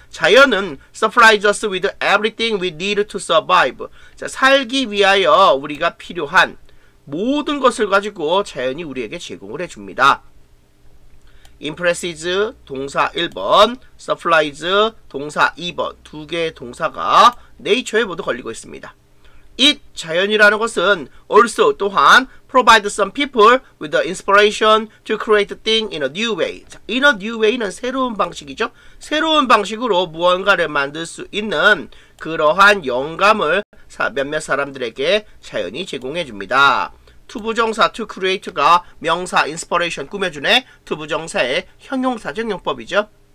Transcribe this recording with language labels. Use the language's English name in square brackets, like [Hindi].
[Korean] 자연은 [English] supplies us with everything we need to survive. [Korean] 자, 살기 위하여 우리가 필요한 모든 것을 가지고 자연이 우리에게 제공을 해줍니다. Impresses 동사 1번, supplies 동사 2번, 두 개의 동사가 nature에 모두 걸리고 있습니다. [English] It, [Korean] 자연이라는 것은 [English] also [Korean] 또한 [English] provide some people with the inspiration to create things in a new way. In a new way [Korean] 는 새로운 방식이죠. 새로운 방식으로 무언가를 만들 수 있는 그러한 영감을 몇몇 사람들에게 자연이 제공해 줍니다. 투부정사 to create가 명사 inspiration 꾸며주네. 투부정사의 형용사 적용법이죠.